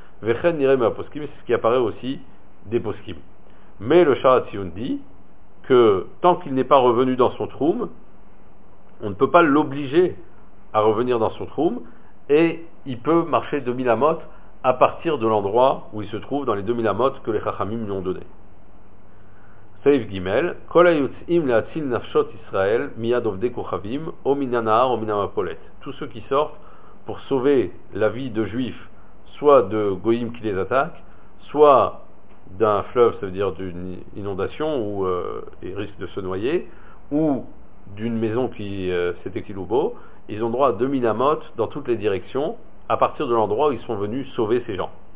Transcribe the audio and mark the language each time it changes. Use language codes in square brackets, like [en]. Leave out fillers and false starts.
[he] Vechen nirem aposkim, [fr] c'est ce qui apparaît aussi des poskim. Mais le Shahat Sion dit que tant qu'il n'est pas revenu dans son troum, on ne peut pas l'obliger à revenir dans son troum, et il peut marcher 2000 amot à partir de l'endroit où il se trouve dans les 2000 amot que les Chachamim lui ont donné. [he] סעיף גימל, כל היוצאים להציל נפשות ישראל מיד עובדי כוכבים, או מן הנהר או מן המפולת. [fr] Tous ceux qui sortent pour sauver la vie de juifs, soit de goyim qui les attaquent, soit d'un fleuve, ça veut dire d'une inondation où ils risquent de se noyer, ou d'une maison qui s'est écroulée au bout, ils ont droit à 2000 amot dans toutes les directions, à partir de l'endroit où ils sont venus sauver ces gens.